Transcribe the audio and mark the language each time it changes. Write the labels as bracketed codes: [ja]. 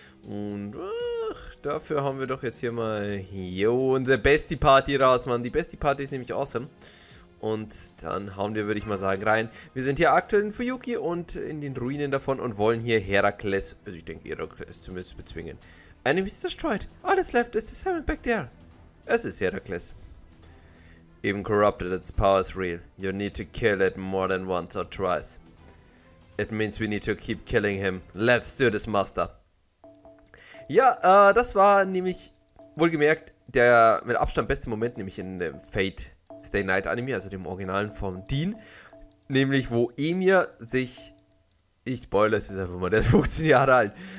[de] Und dafür haben wir doch jetzt hier mal unsere Bestie Party raus, Mann. Die Bestie Party ist nämlich awesome. Und dann hauen wir, würde ich mal sagen, rein. Wir sind hier aktuell in Fuyuki und in den Ruinen davon und wollen hier Herakles, also ich denke Herakles zumindest, bezwingen. [en] Enemies destroyed. All that's left is the seven back there. [de] Es ist Herakles. [en] Even corrupted, its power is real. You need to kill it more than once or twice. It means we need to keep killing him. Let's do this, Master. [de] Ja, das war nämlich wohlgemerkt der mit Abstand beste Moment, nämlich in dem Fate Stay Night Anime, also dem Originalen von Dean. Nämlich, wo Emir sich. Ich spoilere es jetzt einfach mal, der ist 15 Jahre alt.